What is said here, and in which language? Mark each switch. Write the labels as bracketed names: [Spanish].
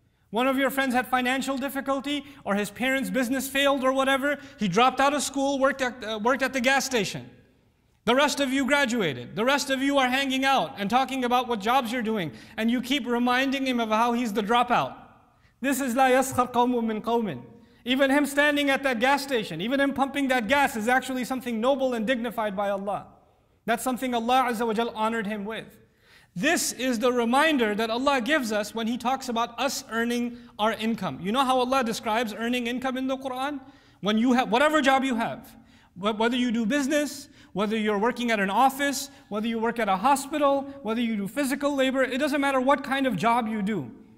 [English] One of your friends had financial difficulty, or his parents' business failed or whatever, he dropped out of school, worked at the gas station. The rest of you graduated, the rest of you are hanging out and talking about what jobs you're doing, and you keep reminding him of how he's the dropout. This is [Arabic] لا يسخر قوم من قوم. [English] Even him standing at that gas station, even him pumping that gas is actually something noble and dignified by Allah. That's something Allah Azza wa Jal honored him with. This is the reminder that Allah gives us when He talks about us earning our income. You know how Allah describes earning income in the Quran? When you have, whatever job you have, whether you do business, whether you're working at an office, whether you work at a hospital, whether you do physical labor, it doesn't matter what kind of job you do.